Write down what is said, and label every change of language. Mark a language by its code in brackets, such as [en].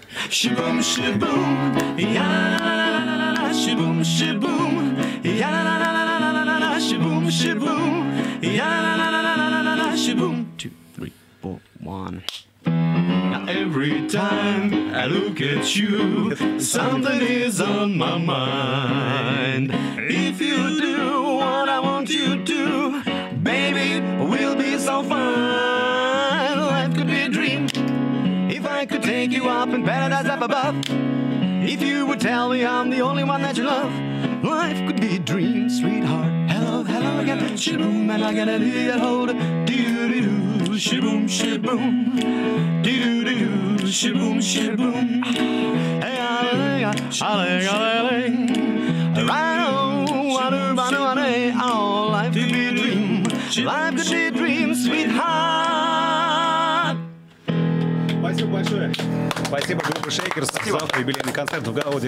[en] Шибум-шибум, я шибум-шибум, я ла-ла-ла-ла-ла-ла-ла, шибум-шибум, я ла-ла-ла-ла-ла-ла-ла, шибум. Two, three, four, one. Now every time I look at you, something is on my mind. If you do what I want you to, baby, we'll be so fine. Life could be a dream if I could take you up in paradise up above. If you would tell me I'm the only one that you love, life could be a dream, sweetheart. Hello, hello, I got the shaboom, and I gotta be at hold doo-doo-doo. Shaboom, shaboom, doo-doo-doo, shaboom, shaboom. Hey, alley, alley, alley, alley, right on, wa-do-ba-do-ba-day. Oh, life could be a dream, life could be a dream, sweetheart. [ru] Спасибо большое. Спасибо, группа Шейкерс. Завтра юбилейный концерт в Гауди.